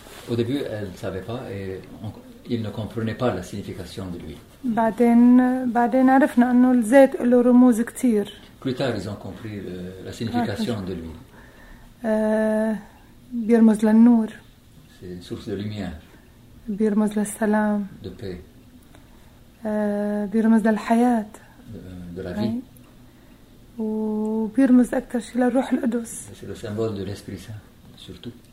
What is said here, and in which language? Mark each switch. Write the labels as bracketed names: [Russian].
[French] Au début, elle ne savait pas et il ne comprenait pas la signification de l'huile. [Arabic] بعدين عرفنا انه الزيت له رموز كثير. [French] Plus tard, ils ont compris la signification de l'huile. [Arabic] بيرمز للنور. [French] C'est une source de lumière. [Arabic] بيرمز للسلام. [French] De paix. [Arabic] بيرمز للحياة. [French] De la vie. [Arabic] وبيرمز اكثر شيء للروح القدس. [French] C'est le symbole de l'Esprit Saint, surtout.